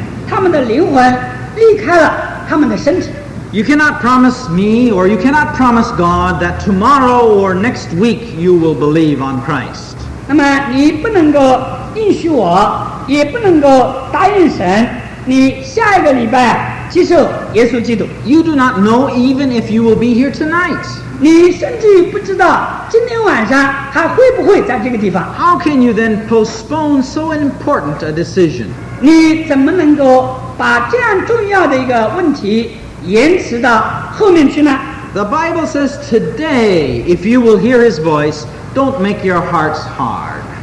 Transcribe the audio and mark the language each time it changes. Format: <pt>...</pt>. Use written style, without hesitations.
<zh>那么现在我就要请教各位，当我们在讲道的时候，有多少千千万万的人，他们的灵魂离开了他们的身体？</zh> <en>You cannot promise me or you cannot promise God that tomorrow or next week you will believe on Christ.</en> <zh>那么你不能够应许我，也不能够答应神，你下一个礼拜接受耶稣基督。</zh> <en>You do not know even if you will be here tonight.</en> <zh>你甚至不知道今天晚上还会不会在这个地方。</zh> <en>How can you then postpone so important a decision?</en> <zh>你怎么能够把这样重要的一个问题 延迟到后面去呢?</zh> <en>The Bible says today, if you will hear his voice, don't make your hearts hard.</en>